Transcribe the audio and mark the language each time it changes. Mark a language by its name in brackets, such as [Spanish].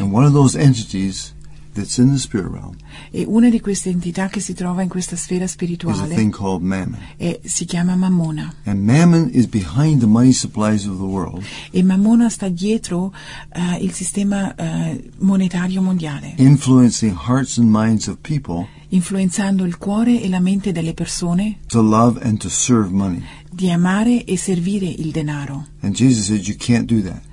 [English] And one of those entities that's in the spirit realm. [Italian] E una di queste entità che si trova in questa sfera spirituale [English] is a thing called Mammon. [Italian] E si chiama Mammona. [English] And Mammon is behind the money supplies of the world. [Italian] E Mammona sta dietro il sistema monetario mondiale. [English] Influencing hearts and minds of people. [Italian] Influenzando il cuore e la mente delle persone. [English] To love and to serve money. [Italian] Di amare e servire il denaro. [English] And Jesus said, "You can't do that."